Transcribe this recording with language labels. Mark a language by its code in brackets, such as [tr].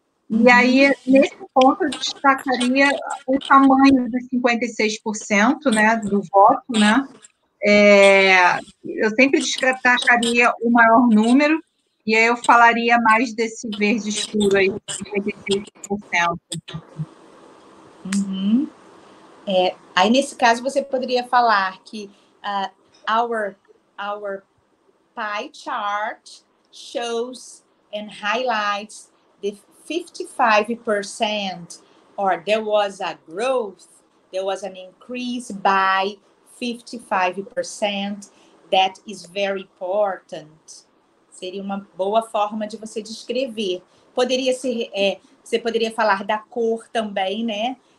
[pt] E aí, nesse ponto, eu destacaria o tamanho dos 56%, né, do voto, né? Eu sempre destacaria o maior número, e aí eu falaria mais desse verde escuro aí, 56%. Uhum. Aí, nesse caso, você poderia falar que [en] our pie chart shows and highlights the 55%, or there was an increase by 55%, that is very important. [pt] Seria uma boa forma de você descrever. Poderia ser, você poderia falar da cor também, né?